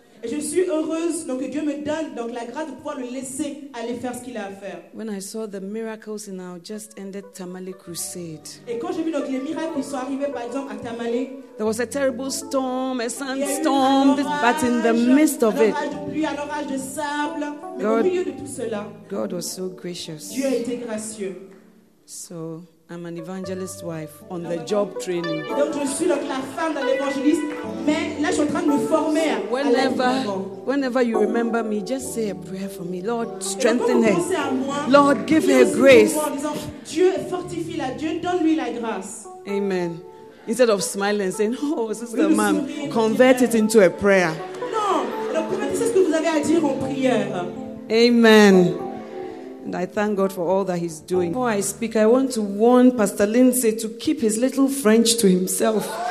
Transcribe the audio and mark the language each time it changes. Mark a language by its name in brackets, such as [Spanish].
[French] Je suis heureuse donc que Dieu me donne donc la grâce de pouvoir le laisser aller faire ce qu'il a à faire. [English] When I saw the miracles in our just ended Tamale crusade. [French] Et quand j'ai vu donc les miracles qui sont arrivés par exemple à Tamale. [English] There was a terrible storm, a sandstorm, but in the midst of it. [French] Un orage de sable, mais God, au milieu de tout cela. [English] God was so gracious. [French] Dieu a été gracieux. [English] So I'm an evangelist wife on the job training. [French] Et donc je suis donc la femme d'un évangéliste, mais là je suis en train de me former. [English] So whenever you remember me, just say a prayer for me. Lord, strengthen her. [French] Et donc, quand vous pensez à moi, [English] Lord, give her grace. [French] Disant, Dieu fortifie-la, Dieu donne-lui la grâce. [English] Amen. Instead of smiling and saying, "Oh, sister, ma'am," convert it into a prayer. [French] Non, alors convertissez ce que vous avez à dire en prière. [English] Amen. And I thank God for all that he's doing. Before I speak, I want to warn Pastor Lindsay to keep his little French to himself.